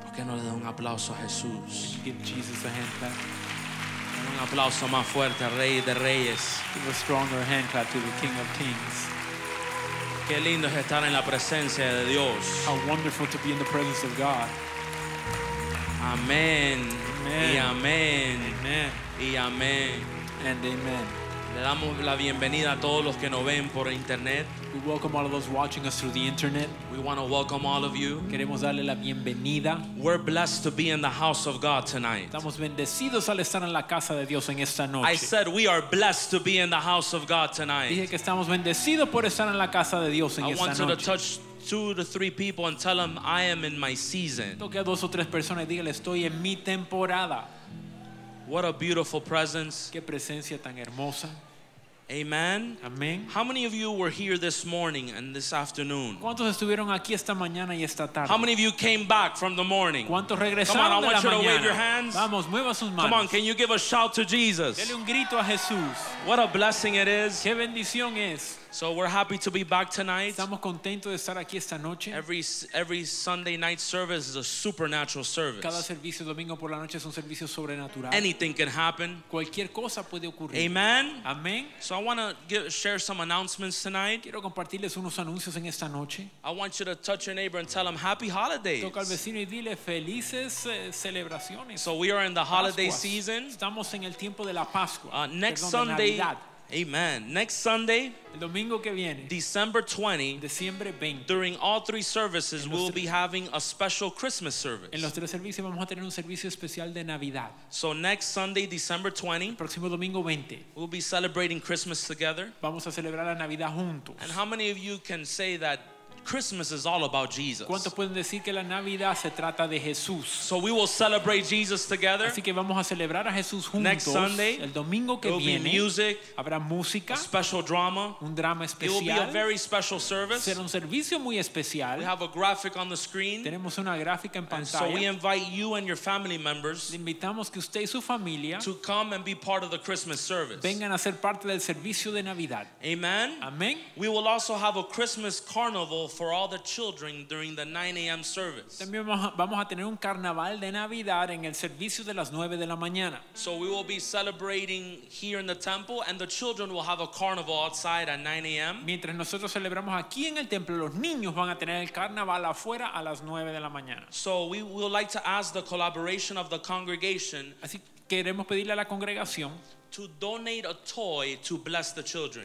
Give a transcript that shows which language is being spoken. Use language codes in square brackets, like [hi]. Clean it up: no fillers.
[es] ¿Por qué no le da un aplauso a Jesús? [en] Give Jesus a hand clap. [es] Un aplauso más fuerte, Rey de Reyes. [en] Give a stronger hand clap to the King of Kings. [es] Qué lindo es estar en la presencia de Dios. [en] How wonderful to be in the presence of God. [es] Amén. [en] Amen. [es] Y amén. [en] Amen. [es] Y amén. [en] And amen. [es] Le damos la bienvenida a todos los que nos ven por internet. [en] We welcome all of those watching us through the internet. We want to welcome all of you. [es] Queremos darle la bienvenida. [en] We're blessed to be in the house of God tonight. [es] Estamos bendecidos al estar en la casa de Dios en esta noche. [en] I said we are blessed to be in the house of God tonight. [es] Dije que estamos bendecidos por estar en la casa de Dios en esta noche. [en] I wanted to touch 2 to 3 people and tell them I am in my season. [es] Toque a 2 o 3 personas y dígale estoy en mi temporada. [en] What a beautiful presence. [es] Qué presencia tan hermosa. [en] Amen. [es] Amen. [en] How many of you were here this morning and this afternoon? [es] ¿Cuántos estuvieron aquí esta mañana y esta tarde? [en] How many of you came back from the morning? [es] ¿Cuántos regresaron? [en] Come on, I want you [es] mañana [en] to wave your hands. [es] Vamos, mueva sus manos. [en] Come on, can you give a shout to Jesus? [es] Dele un grito a Jesús. [en] What a blessing it is. [es] Qué bendición es. [en] So we're happy to be back tonight. [es] Estamos contentos de estar aquí esta noche. [en] Every Sunday night service is a supernatural service. [es] Cada servicio domingo por la noche es un servicio sobrenatural. [en] Anything can happen. [es] Cualquier cosa puede ocurrir. [en] Amen. [es] Amen. [en] So I want to share some announcements tonight. [es] Quiero compartirles unos anuncios en esta noche. [en] I want you to touch your neighbor and tell him happy holidays. [es] Toca al vecino y dile felices celebraciones. [en] So we are in the holiday season. [es] Estamos en el tiempo de la Pascua. [en] Next Sunday. Amen. Next Sunday, [es] el domingo que viene, [en] December 20, [es] diciembre 20, [en] during all 3 services, we'll be having a special Christmas service. [es] En los 3 servicios vamos a tener un servicio especial de Navidad. [en] So next Sunday, December 20, [es] el próximo domingo 20, [en] we'll be celebrating Christmas together. [es] Vamos a celebrar la Navidad juntos. [en] And how many of you can say that Christmas is all about Jesus? [es] ¿Cuántos pueden decir que la Navidad se trata de Jesús? [en] So we will celebrate Jesus together. [es] Así que vamos a celebrar a Jesús juntos. [en] Next Sunday, [es] el domingo que [en] viene, there will be music, [es] habrá música, [en] a special drama, [es] un drama especial. [en] It will be a very special service. [es] Será un servicio muy especial. [en] We have a graphic on the screen. [es] Tenemos una gráfica en pantalla. [en] And so we invite you and your family members. [es] Le invitamos que usted y su familia [en] to come and be part of the Christmas service. [es] Vengan a ser parte del servicio de Navidad. [en] Amen. [es] Amén. [en] We will also have a Christmas carnival for all the children during the 9 a.m. service. [es] También vamos a tener un carnaval de Navidad en el servicio de las 9 de la mañana. [en] So we will be celebrating here in the temple, and the children will have a carnival outside at 9 a.m. [es] Mientras nosotros celebramos aquí en el templo, los niños van a tener el carnaval afuera a las 9 de la mañana. [en] So we would like to ask the collaboration of the congregation. [es] Así queremos pedirle a la congregación [en] to donate a toy to bless the children.